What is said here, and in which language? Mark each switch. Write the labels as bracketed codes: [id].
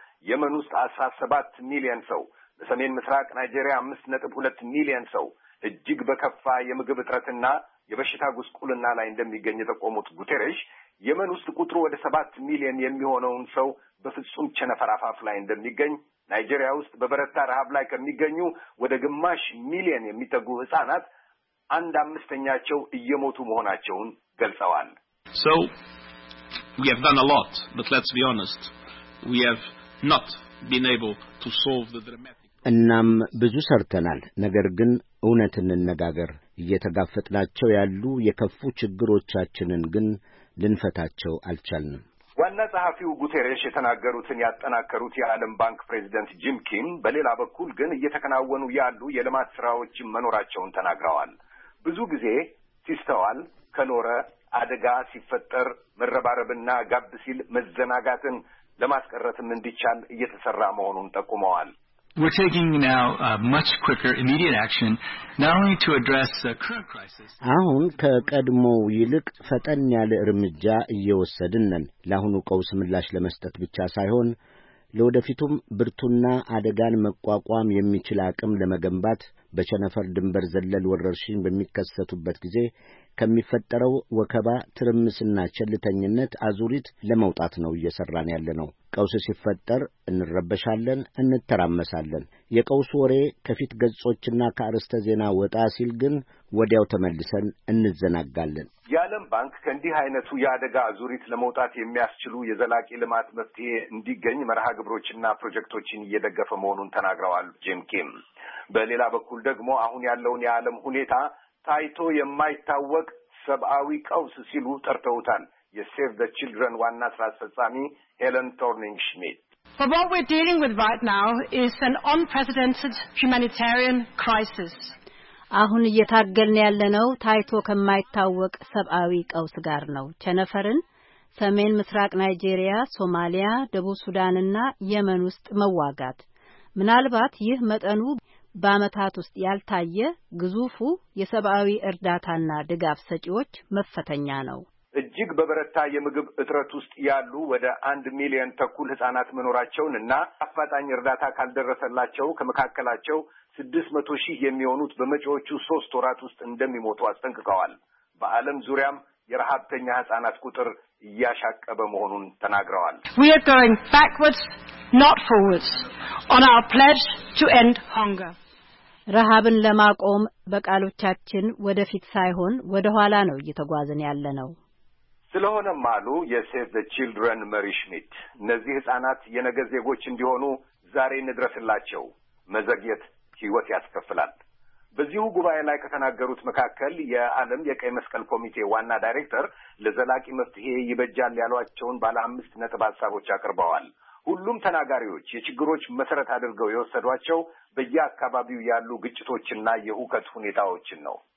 [am] የመን ውስጥ 17 ሚሊዮን ሰው፣ በሰሜን ምስራቅ ናይጄሪያ 5.2 ሚሊዮን ሰው እጅግ በከፋ የምግብ እጥረትና የበሽታ ጉስቁልና ላይ እንደሚገኝ የጠቆሙት ጉቴሬሽ የመን ውስጥ ቁጥሩ ወደ 7 ሚሊዮን የሚሆነውን ሰው በፍጹም ቸነፈር አፋፍ ላይ እንደሚገኝ፣ ናይጄሪያ ውስጥ በበረታ ረሃብ ላይ ከሚገኙ ወደ ግማሽ ሚሊዮን የሚጠጉ ህፃናት 1/5ኛቸው እየሞቱ መሆናቸውን ገልጸዋል። [en] So we have done a lot, but let's be honest, we have not been able to solve the dramatic. [am] እናም ብዙ ሰርተናል። ነገር ግን እውነትን እንነጋገር፣ እየተጋፈጥናቸው ያሉ የከፉ ችግሮቻችንን ግን ልንፈታቸው አልቻልንም። ዋና ጸሐፊው ጉቴሬሽ የተናገሩትን ያጠናከሩት የዓለም ባንክ ፕሬዚደንት ጂም ኪም በሌላ በኩል ግን እየተከናወኑ ያሉ የልማት ስራዎች መኖራቸውን ተናግረዋል። ብዙ ጊዜ ሲስተዋል ከኖረ አደጋ ሲፈጠር መረባረብና ጋብ ሲል መዘናጋትን ለማስቀረትም እንዲቻል እየተሰራ መሆኑን ጠቁመዋል። [en] We're taking now a much quicker immediate action not only to address the current crisis. [am] አሁን ከቀድሞው ይልቅ ፈጠን ያለ እርምጃ እየወሰድነን ለአሁኑ ቀውስ ምላሽ ለመስጠት ብቻ ሳይሆን ለወደፊቱም ብርቱና አደጋን መቋቋም የሚችል አቅም ለመገንባት በቸነፈር ድንበር ዘለል ወረርሽኝ በሚከሰቱበት ጊዜ ከሚፈጠረው ወከባ ትርምስና ቸልተኝነት አዙሪት ለመውጣት ነው እየሰራን ያለነው። ቀውስ ሲፈጠር እንረበሻለን፣ እንተራመሳለን። የቀውስ ወሬ ከፊት ገጾችና ከአርስተ ዜና ወጣ ሲል ግን ወዲያው ተመልሰን እንዘናጋለን። የዓለም ባንክ ከእንዲህ አይነቱ ያደጋ አዙሪት ለመውጣት የሚያስችሉ የዘላቂ ልማት መፍትሄ እንዲገኝ መርሃ ግብሮችና ፕሮጀክቶችን እየደገፈ መሆኑን ተናግረዋል ጂም ኪም። በሌላ በኩል ደግሞ አሁን ያለውን የዓለም ሁኔታ ታይቶ የማይታወቅ ሰብአዊ ቀውስ ሲሉ ጠርተውታል። የሴቭ ዘ ቺልድረን ዋና ስራ አስፈጻሚ ሄለን ቶርኒንግ ሽሚት [en] For what we're dealing with right now is an unprecedented humanitarian crisis. [am] አሁን እየታገልን ያለነው ታይቶ ከማይታወቅ ሰብአዊ ቀውስ ጋር ነው። ቸነፈርን ሰሜን ምስራቅ ናይጄሪያ፣ ሶማሊያ፣ ደቡብ ሱዳንና የመን ውስጥ መዋጋት። ምናልባት ይህ መጠኑ በአመታት ውስጥ ያልታየ ግዙፉ የሰብአዊ እርዳታና ድጋፍ ሰጪዎች መፈተኛ ነው። እጅግ በበረታ የምግብ እጥረት ውስጥ ያሉ ወደ 1 ሚሊዮን ተኩል ህጻናት መኖራቸውና አፋጣኝ እርዳታ ካልደረሰላቸው ከመካከላቸው 600 ሺህ የሚሆኑት በመጪዎቹ 3 ወራት ውስጥ እንደሚሞቱ አስጠንቅቀዋል። በአለም ዙሪያም የረሃብተኛ ህጻናት ቁጥር እያሻቀበ መሆኑን ተናግረዋል። [en] We are going backwards not forwards on our pledge to end hunger. [am] ረሃብን ለማቆም በቃሎቻችን ወደፊት ሳይሆን ወደኋላ ነው እየተጓዝን ያለነው። ስለሆነም አሉ የሴቭ ዘ ቺልድረን መሪ ሽሚት፣ እነዚህ ህጻናት የነገ ዜጎች እንዲሆኑ ዛሬ እንድረስላቸው፣ መዘግየት ህይወት ያስከፍላል። በዚሁ ጉባኤ ላይ ከተናገሩት መካከል የዓለም የቀይ መስቀል ኮሚቴ ዋና ዳይሬክተር ለዘላቂ መፍትሄ ይበጃል ያሏቸውን ባለ 5 ነጥብ ሐሳቦች አቀርበዋል። ሁሉም ተናጋሪዎች የችግሮች መሰረት አድርገው የወሰዷቸው በየአካባቢው ያሉ ግጭቶችና የሁከት ሁኔታዎችን ነው።